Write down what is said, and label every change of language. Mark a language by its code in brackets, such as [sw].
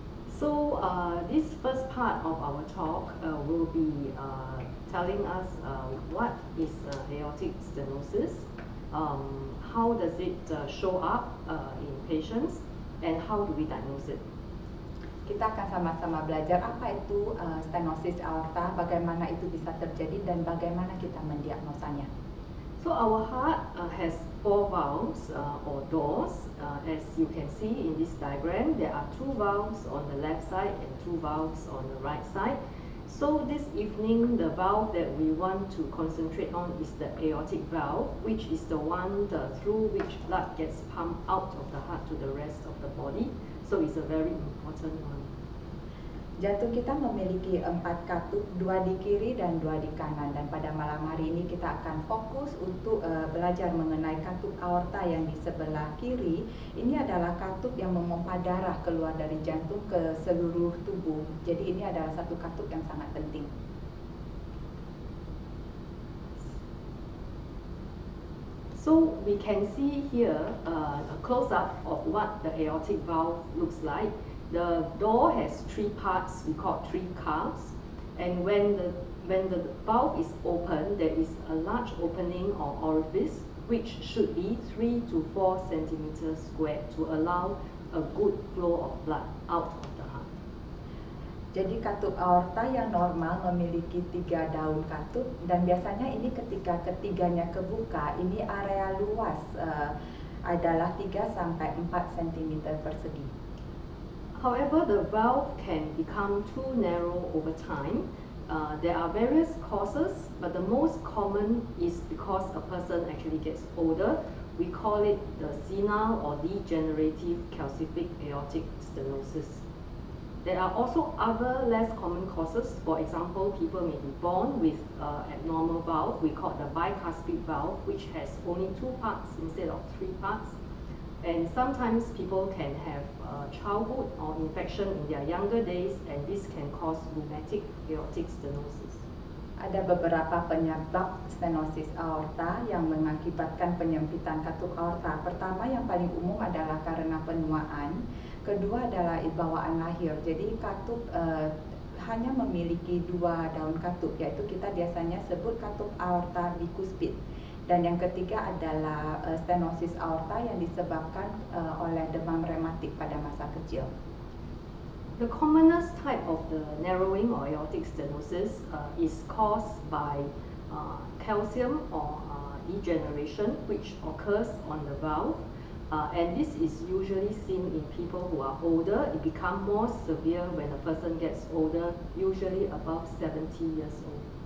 [en] So this first part of our talk will be telling us what is aortic stenosis, how does it show up in patients, and how do we diagnose it. [id] Kita akan sama-sama belajar apa itu stenosis aorta, bagaimana itu bisa terjadi, dan bagaimana kita mendiagnosanya. [en] So our heart has four valves or doors. As you can see in this diagram, there are two valves on the left side and two valves on the right side. So this evening, the valve that we want to concentrate on is the aortic valve, which is the one through which blood gets pumped out of the heart to the rest of the body. So it's a very important one. [id] Jantung kita memiliki empat katup, dua di kiri dan dua di kanan. Dan pada malam hari ini kita akan fokus untuk belajar mengenai katup aorta yang di sebelah kiri. Ini adalah katup yang memompa darah keluar dari jantung ke seluruh tubuh. Jadi ini adalah satu katup yang sangat penting. [en] So we can see here a close-up of what the aortic valve looks like. The door has three parts, we call three cuffs, and when the valve is open, there is a large opening or orifice which should be 3 to 4 centimeters square to allow a good flow of blood out of the heart. [id] Jadi katup aorta yang normal memiliki tiga daun katup dan biasanya ini ketika ketiganya kebuka, ini area luas adalah 3 sampai 4 centimeters persegi. [en] However, the valve can become too narrow over time. There are various causes, but the most common is because a person actually gets older. We call it the senile or degenerative calcific aortic stenosis. There are also other less common causes. For example, people may be born with an abnormal valve. We call it the bicuspid valve, which has only two parts instead of three parts. And sometimes people can have childhood or infection in their younger days, and this can cause rheumatic aortic stenosis. [id] Ada beberapa penyebab stenosis aorta yang mengakibatkan penyempitan katup aorta. Pertama yang paling umum adalah karena penuaan. Kedua adalah bawaan lahir. Jadi katup hanya memiliki dua daun katup, yaitu kita biasanya sebut katup aorta bicuspid. Dan yang ketiga adalah stenosis aorta yang disebabkan oleh demam rematik pada masa kecil. [en] The commonest type of the narrowing or aortic stenosis is caused by calcium or degeneration which occurs on the valve. And this is usually seen in people who are older. It become more severe when a person gets older, usually above 70 years old.